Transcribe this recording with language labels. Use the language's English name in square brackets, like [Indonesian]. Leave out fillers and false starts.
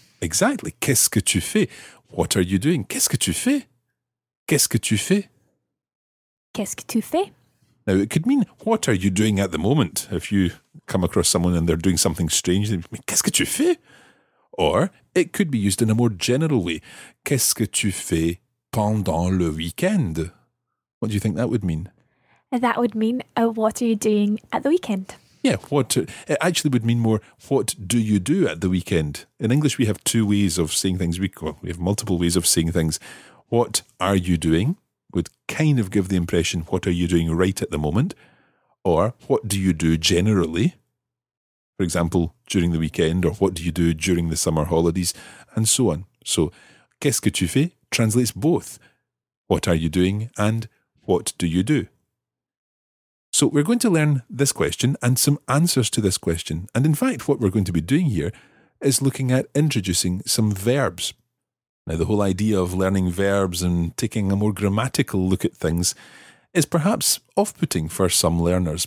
[English] Exactly. [French] Qu'est-ce que tu fais? [English] What are you doing? [French] Qu'est-ce que tu fais? Qu'est-ce que tu fais? Qu'est-ce que tu fais? [English] Now, it could mean, what are you doing at the moment? If you come across someone and they're doing something strange, they mean, [French] qu'est-ce que tu fais? [English] Or it could be used in a more general way. [French] Qu'est-ce que tu fais pendant le week-end? [English] What do you think that would mean? That would mean, what are you doing at the weekend? Yeah, it actually would mean more, what do you do at the weekend? In English, we have two ways of saying things. We have multiple ways of saying things. What are you doing would kind of give the impression, what are you doing right at the moment? Or what do you do generally? For example, during the weekend, or what do you do during the summer holidays, and so on. So, [French] qu'est-ce que tu fais [English] translates both. What are you doing and what do you do? So we're going to learn this question and some answers to this question. And in fact, what we're going to be doing here is looking at introducing some verbs. Now, the whole idea of learning verbs and taking a more grammatical look at things is perhaps off-putting for some learners.